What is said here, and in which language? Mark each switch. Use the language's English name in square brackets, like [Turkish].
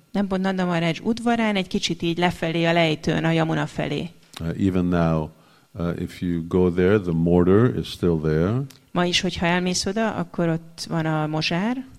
[Hungarian] Nem pont Nanda Maharaj udvarán, egy kicsit így lefelé a lejtőn, a Yamuna felé. [English] Even now, if you go there, the mortar is still there. [Hungarian] Ma is, hogyha elmész oda, akkor ott van a mozsár.